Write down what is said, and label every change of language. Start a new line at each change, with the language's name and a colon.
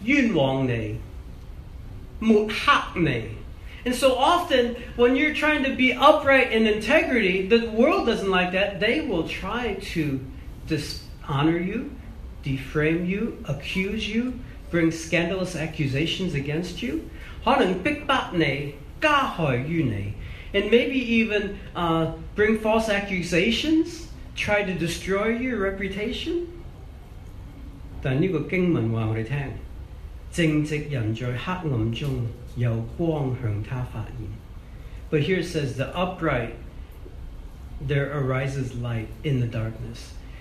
Chinese: 所以很多时呢，他会是屈你，是吧？他会冤枉你，抹黑你。
English: And so often, when you're trying to be upright in integrity, the world doesn't like that. They will try to dishonor you, defame you, accuse you, bring scandalous accusations against you.
Chinese: 可能逼迫你，加害于你,
English: and maybe even bring false accusations, try to destroy your reputation.
Chinese: 但这个经文告诉我们, 正直人在黑暗中,
English: but here it says, the upright, there arises light in the darkness.